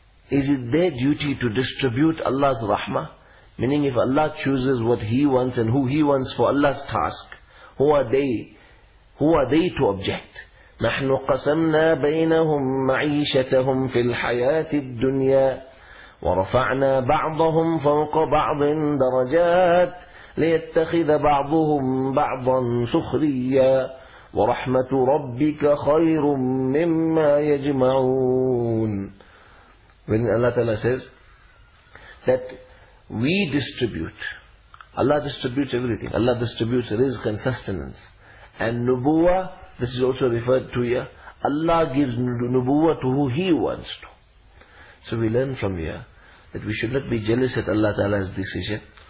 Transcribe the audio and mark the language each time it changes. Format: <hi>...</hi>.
<en>Is it their duty to distribute Allah's rahmah? Meaning, if Allah chooses what He wants and who He wants for Allah's task, who are they to object?</en> <ar>نحن قسمنا بينهم معيشتهم في الحياة الدنيا ورفعنا بعضهم فوق بعض درجات ليتخذ بعضهم بعضا سخريا ورحمة ربك خير مما يجمعون.</ar> <en>When Allah Ta'ala says that we distribute, Allah distributes everything. Allah distributes rizq and sustenance. And nubuwa, this is also referred to here. Allah gives nubuwa to who He wants to. So we learn from here that we should not be jealous at Allah Ta'ala's decision.</en>